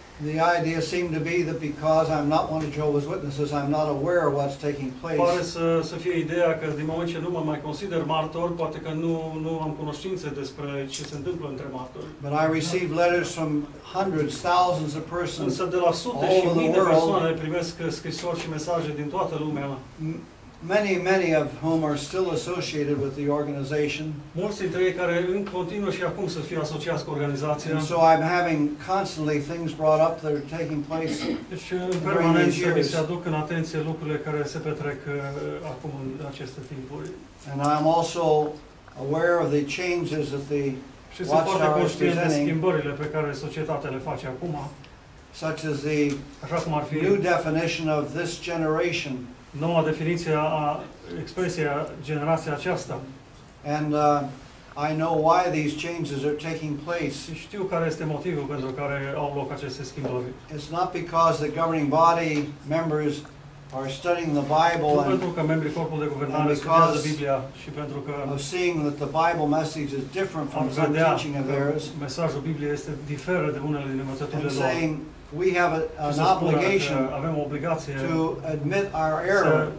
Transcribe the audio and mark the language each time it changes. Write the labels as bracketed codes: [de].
[en] The idea seemed to be that because I'm not one of Jehovah's Witnesses, I'm not aware of what's taking place. [ro] Poate să fie ideea că din moment ce nu mă mai consider martor, poate că nu am cunoștință despre ce se întâmplă între martori. [en] But I receive letters from hundreds, thousands of persons. [ro] Însă de la sute și mii de persoane primesc scrisori și mesaje din toată lumea. [en] Many, many of whom are still associated with the organization. [ro] Mulți dintre ei care în continuu și acum să fie asociați cu organizația. [en] And so I'm having constantly things brought up that are taking place. [ro] Deci, în permanență mi se aduc în atenție lucrurile care se petrec acum în aceste timpuri. [en] And I'm also aware of the changes that the Watchtower is presenting. [ro] Și sunt foarte conștient de schimbările pe care societatea le face acum. [en] Such as the new definition of this generation. [ro] Noua definiție a expresia generația aceasta. [en] And I know why these changes are taking place. [ro] Știu care este motivul pentru care au loc aceste schimbări. [en] It's not because the governing body members are studying the Bible and [ro] pentru că membrii corpului de guvernare studiază Biblia și pentru că [en] of seeing that the Bible message is different from the teaching of theirs. [ro] Mesajul Bibliei este diferă de unele din învățăturile lor. [en] We have an obligation to admit our error,